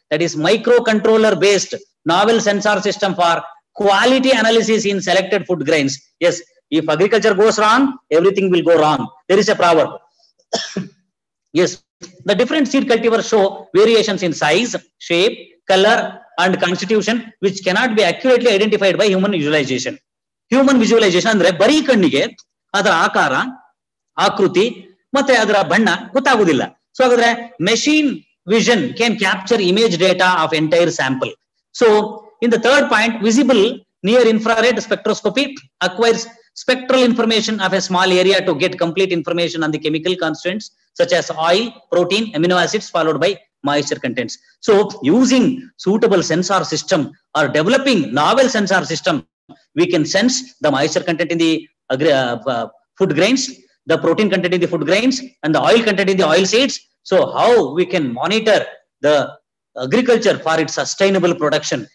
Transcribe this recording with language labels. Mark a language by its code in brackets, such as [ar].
[en] That is microcontroller based novel sensor system for quality analysis in selected food grains. Yes, if agriculture goes wrong, everything will go wrong. There is a proverb. Yes, the different seed cultivars show variations in size, shape, color and constitution which cannot be accurately identified by human visualization. [kn] Human visualisation ಅಂದ್ರೆ ಬರೀ ಕಣ್ಣಿಗೆ ಅದರ ಆಕಾರ ಆಕೃತಿ ಮತ್ತೆ ಅದರ ಬಣ್ಣ ಗೊತ್ತಾಗುವುದಿಲ್ಲ. [en] So ಹಾಗಾದ್ರೆ machine vision can capture image data of entire sample. So in the third point, visible near infrared spectroscopy acquires spectral information of a small area to get complete information on the chemical constants such as oil, protein, amino acids followed by moisture contents. So using suitable sensor system or developing novel sensor system, we can sense the moisture content in the food grains, the protein content in the food grains and the oil content in the oil seeds. So how we can monitor the agriculture for its sustainable production.